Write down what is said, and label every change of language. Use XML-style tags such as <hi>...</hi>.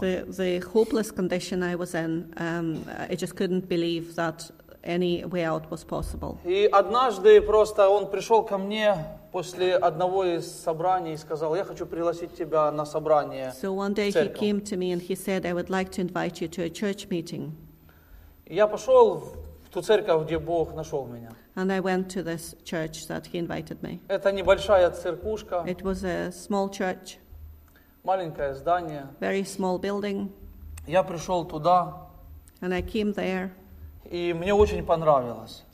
<en>The hopeless condition I was in, I just couldn't believe that any way out was possible.</en> <ru>И однажды просто он пришел ко мне после одного из собраний и сказал, я хочу пригласить тебя на собрание.</ru> <en>So one day he came to me and he said, I would like to invite you to a church meeting.</en> <ru>Я пошел в ту церковь, где Бог нашел меня.</ru> <en>And I went to this church that he invited me.</en> <ru>Это небольшая церкушка.</ru> <en>It was a small church.</en> <ru>Маленькое здание.</ru> <en>Very small building.</en> <ru>Я пришел туда.</ru> <en>And I came there.</en> <ru>И мне очень понравилось.</ru>